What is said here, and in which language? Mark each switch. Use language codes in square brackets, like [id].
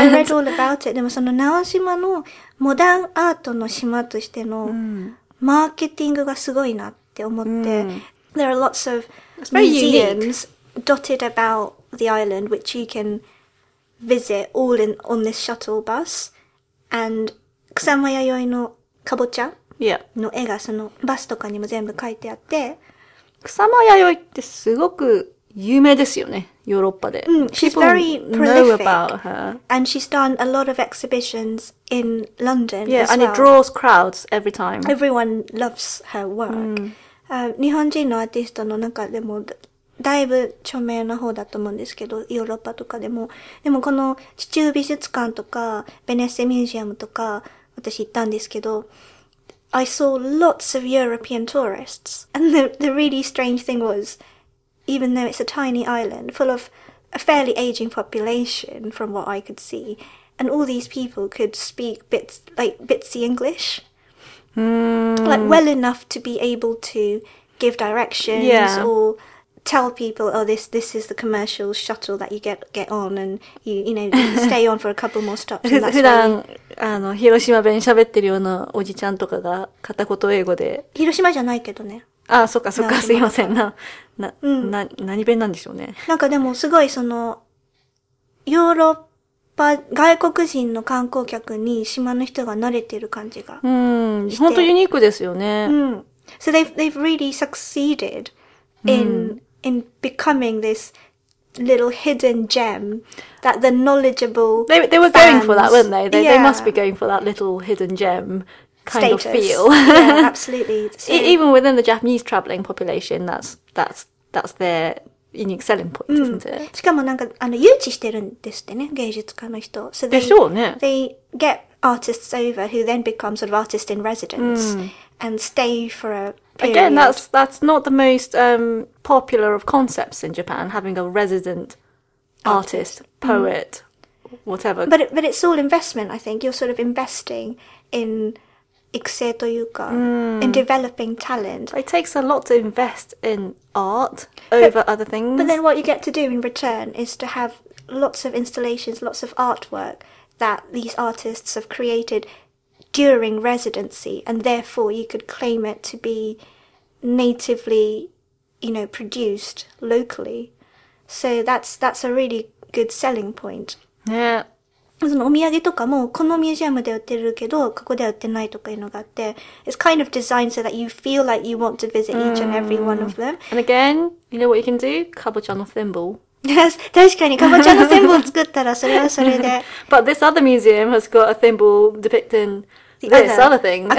[en] I read all about it. [ja] でもその直島のモダンアートの島としてのマーケティングがすごいなって思って。 [en] There are lots of museums dotted about the island, which you can visit all in, on this shuttle bus. [ja] And 草間彌生のかぼちゃ、 yeah. の絵がそのバスとかにも全部書いてあって、草間彌生ってすごく有名ですよね、ヨーロッパで。 [en] うん、she's very prolific. Know about her. And she's done a lot of exhibitions in London. Yeah, as and well. It draws crowds every time. Everyone loves her work.、Mm. [ja] 日本人のアーティストの中でもだいぶ著名な方だと思うんですけど、ヨーロッパとかでも。でもこの地中美術館とか、ベネッセミュージアムとか、私行ったんですけど、 [en] I saw lots of European tourists. And the really strange thing was, even though it's a tiny island, full of a fairly aging population from what I could see, and all these people could speak bitsy English. Like well enough to be able to give directions、 yeah. or tell people, oh, this is the commercial shuttle that you get on and you know, stay on for a couple more stops. And that's [ja] why広島弁喋ってるようなおじちゃんとかが片言英語で。広島じゃないけどね。ああ、そっかそっか、すいません。何弁なんでしょうね。なんかでもすごいその、ヨーロッパ、外国人の観光客に島の人が慣れてる感じが。本当ユニークですよね。うん。 [en] So they've really succeeded in becoming this little hidden gem. That the knowledgeable they were fans, going for that, weren't they? They must be going for that little hidden gem kind、 Status. Of feel. Yeah, absolutely. So, even within the Japanese traveling population, that's their unique selling point,、isn't it? [ja] しかもなんか誘致してるんですってね、芸術家の人。 So、でしょうね。 [en] They get artists over who then become sort of artist in residence、and stay for a period. Again, that's not the most、popular of concepts in Japan, having a resident artist. Poet, whatever. But it's all investment, I think. You're sort of investing in [ja] 育成というか、 [en] in developing talent. It takes a lot to invest in art over other things. But then what you get to do in return is to have lots of installations, lots of artwork that these artists have created during residency, and therefore you could claim it to be natively, you know, produced locally. So that's a really good selling point. Yeah. [ja] そのお土産とかもこのミュージアムで売ってるけどここでは売ってないとかいうのがあって [en] It's kind of designed so that you feel like you want to visit each and every one of them. And again, you know what you can do? [ja] かぼちゃのセンボー。確かにかぼちゃのセンボー作ったらそれはそれで。 [en] But this other museum has got a thimble depicting this other thing.